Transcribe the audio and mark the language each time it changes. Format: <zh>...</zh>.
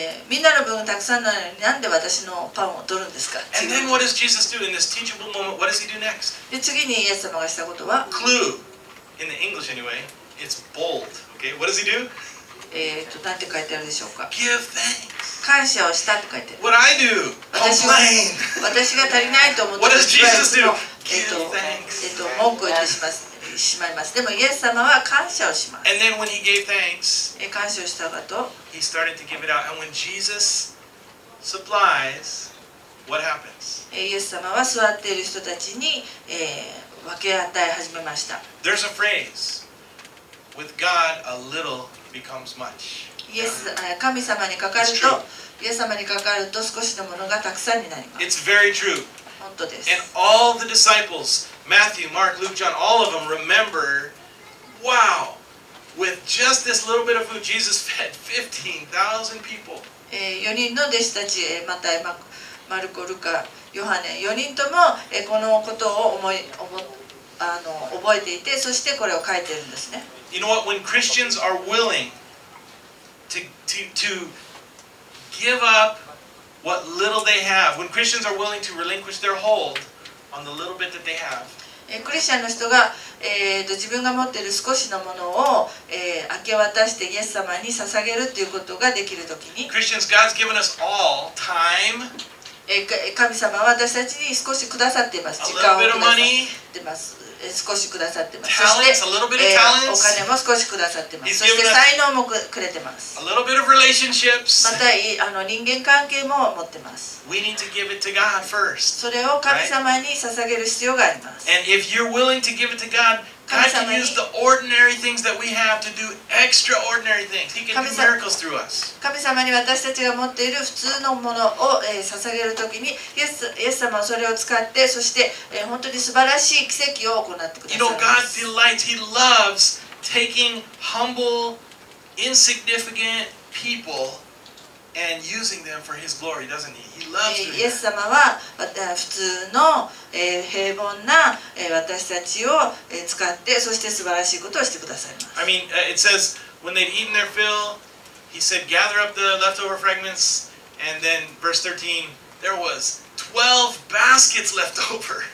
<ja>みんなの分がたくさんなのに、なんで私のパンを取るんですか。</ja> <en>And then what does Jesus do in this teachable moment? What does he do next?</en> <ja>で、次にイエス様がしたことは、</ja> <en>Clue, in the English anyway, it's bold. Okay, what does he do?</en> <ja>なんて書いてあるでしょうか。</ja> <en>Give thanks.</en> <ja>感謝をしたって書いてある。</ja> <en>What I do? Complain.</en> <ja>私が足りないと思って、</ja> <en>What does Jesus do? Give thanks.</en> <ja>文句を言ってします。しまいます。でもイエス様は感謝をします。</ja> <en>And then when he gave thanks,</en> <ja>感謝をした後、</ja> <en>he started to give it out. And when Jesus supplies, what happens?</en> <ja>イエス様は座っている人たちに、分け与え始めました。</ja> <en>There's a phrase, with God, a little becomes much.</en> <ja>イエス、神様にかかると、イエス様にかかると少しのものがたくさんになります。</ja> <en>It's very true.</en> <ja>本当です。</ja> <en>And all the disciples,Matthew, Mark, Luke, John, all of them remember, wow, with just this little bit of food, Jesus fed 15,000 people.</en> <ja>4人の弟子たち、またマルコ、ルカ、ヨハネ、4人ともこのことを覚えていて、そしてこれを書いてるんですね。</ja> <en>You know what? When Christians are willing to give up what little they have, when Christians are willing to relinquish their hold on the little bit that they have,</en> <ja>クリスチャンの人が、自分が持っている少しのものを、明け渡してイエス様に捧げるということができるときに、</ja> <en>Christians, God's given us all time,</en> <ja>神様は私たちに少しくださっています。時間をくださっています。少しくださっています。</ja> <en>Talents,</en> <ja>そして、</ja> <en>a little bit of talents,</en> <ja>お金も少しくださっています。そして才能もくれています。</ja> <en>A little bit of relationships.</en> <ja>また人間関係も持っています。</ja> <en>We need to give it to God first,</en> <ja>それを神様に捧げる必要があります。</ja> <en>And if you're willing to give it to God, God can use the ordinary things that we have to do extraordinary things. He can do miracles through us.</en> <ja>神様に私たちが持っている普通のものを、捧げるときに、イエス様はそれを使って、そして、本当に素晴らしい奇跡を行ってください。</ja> <en>You know, God delights, He loves taking humble, insignificant people. And using them for His glory, doesn't He? He loves doing that.</en> <ja>イエス様は普通の平凡な私たちを使って、そして素晴らしいことをしてくださいます。</ja> <en>I mean, it says, when they'd eaten their fill, He said, gather up the leftover fragments. And then, verse 13, there was 12 baskets left over.</en>